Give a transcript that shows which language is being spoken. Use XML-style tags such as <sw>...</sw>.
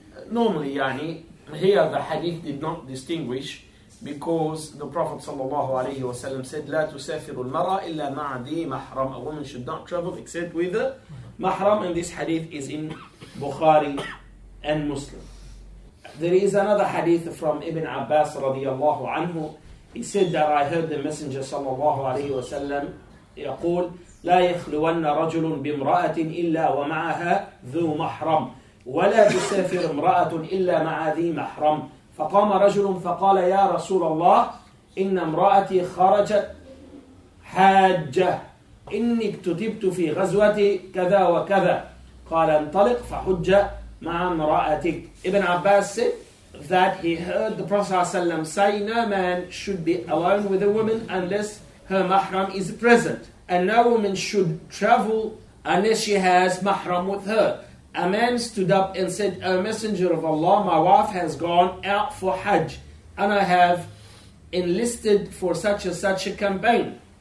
<en>Normally, yani, here the hadith did not distinguish, because the Prophet ﷺ said,</en> <ar>لا تسافر المرأة إلا مع ذي محرم.</ar> <en>A woman should not travel except with a mahram, and this hadith is in Bukhari and Muslim. There is another hadith from Ibn Abbas radiallahu anhu. He said that I heard the Messenger sallallahu alayhi wa sallam</en> <ar>يقول لا يخلون رجل بامرأة إلا ومعها ذو محرم ولا تسافر امرأة إلا مع ذي محرم. فقام رجل فقال يا رسول الله إن امرأتي خرجت حاجة إني اكتتبت في غزوتي كذا وكذا. قال انطلق فحج مع امرأتك.</ar> <en>Ibn Abbas said that he heard the Prophet ﷺ say no man should be alone with a woman unless her mahram is present, and no woman should travel unless she has mahram with her. A man stood up and said, O Messenger of Allah, my wife has gone out for Hajj and I have enlisted for such and such a campaign.</en>